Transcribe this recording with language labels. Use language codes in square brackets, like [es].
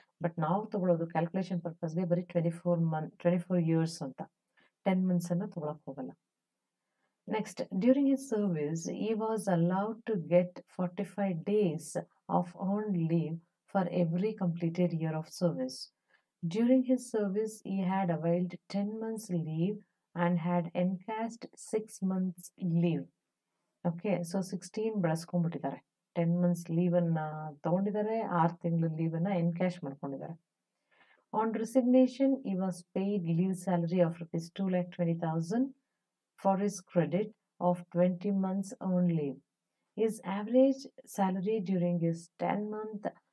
[kn] But ನಾವು ತೊಗೊಳೋದು calculation ಪರ್ಪಸ್ಗೆ ಬರೀ 24 ಇಯರ್ಸ್ ಅಂತ, 10 ಮಂತ್ಸನ್ನು ತೊಗೊಳಕ್ಕೆ ಹೋಗಲ್ಲ. [en] Next, during his service he was allowed to get 45 days of earned leave for every completed year of service. During his service, he had availed 10 months leave and had encashed 6 months leave. [kn] Okay, so 16 ಬಳಸ್ಕೊಂಡ್ಬಿಟ್ಟಿದ್ದಾರೆ. 10 months ಲೀವನ್ನು ತೊಗೊಂಡಿದ್ದಾರೆ, 6 ತಿಂಗಳ ಲೀವನ್ನು encash ಮಾಡ್ಕೊಂಡಿದ್ದಾರೆ. [en] On resignation he was paid leave salary of rupees 2,20,000 for his credit of 20 months earn leave. His average salary during his 10 month.